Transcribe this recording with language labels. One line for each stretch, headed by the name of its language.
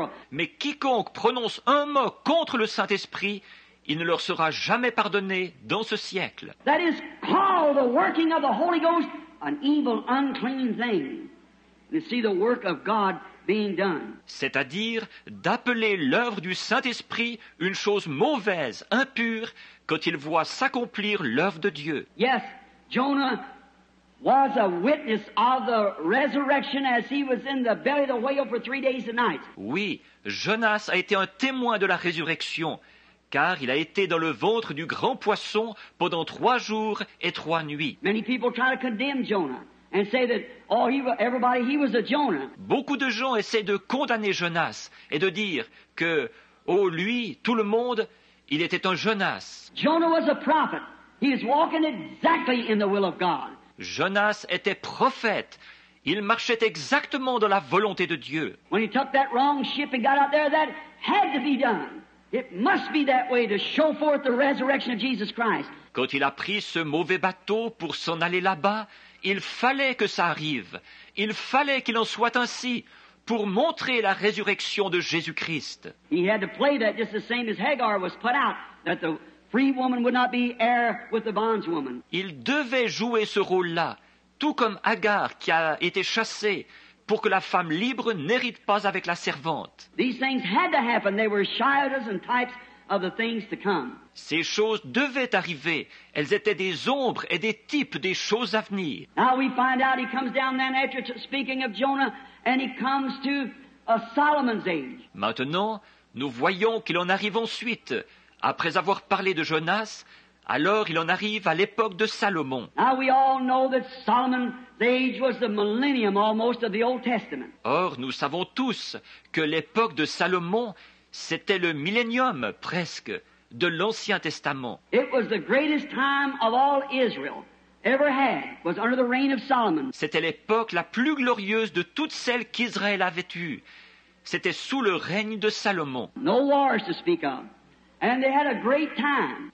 French: Mais quiconque prononce un mot contre le Saint-Esprit, il ne leur sera jamais pardonné dans ce siècle.
English: That is called the working of the Holy Ghost, an evil, unclean thing. You see the work of God.
French: C'est-à-dire d'appeler l'œuvre du Saint-Esprit une chose mauvaise, impure, quand il voit s'accomplir l'œuvre de Dieu.
English: Yes, Jonah was a witness of the resurrection as he was in the belly of the whale for 3 days and nights.
French: Oui, Jonas a été un témoin de la résurrection, car il a été dans le ventre du grand poisson pendant 3 jours et 3 nuits.
English: Many people try to condemn Jonah. And say that all everybody he was a Jonah.
French: Beaucoup de gens essaient de condamner Jonas et de dire que oh lui tout le monde il était un Jonas.
English: Jonah was a prophet. He is walking exactly in the will of God.
French: Jonas était prophète. Il marchait exactement dans la volonté de Dieu.
English: When he took that wrong ship and got out there, that had to be done. It must be that way to show forth the resurrection of Jesus Christ.
French: Quand il a pris ce mauvais bateau pour s'en aller là-bas, il fallait que ça arrive. Il fallait qu'il en soit ainsi pour montrer la résurrection de Jésus-Christ.
English: He had to play that just the same as Hagar was put out, that the free woman would not be heir with the bondswoman.
French: Il devait jouer ce rôle-là, tout comme Hagar qui a été chassée, pour que la femme libre n'hérite pas avec la servante.
English: These things had to happen. They were shadows and types of the things to come.
French: Ces choses devaient arriver. Elles étaient des ombres et des types des choses à venir.
English: Now we find out he comes down then after speaking of Jonah and he comes to a Solomon's age.
French: Maintenant, nous voyons qu'il en arrive ensuite. Après avoir parlé de Jonas, alors il en arrive à l'époque de Salomon.
English: Now we all know that Solomon. Age was the millennium almost of the Old Testament.
French: Or, nous savons tous que l'époque de Salomon, c'était le millénium presque de l'Ancien Testament.
English: It was the greatest time of all Israel ever had was under the reign of Solomon.
French: C'était l'époque la plus glorieuse de toutes celles qu'Israël avait eue. C'était sous le règne de Salomon.
English: No wars to speak of, and they had a great time.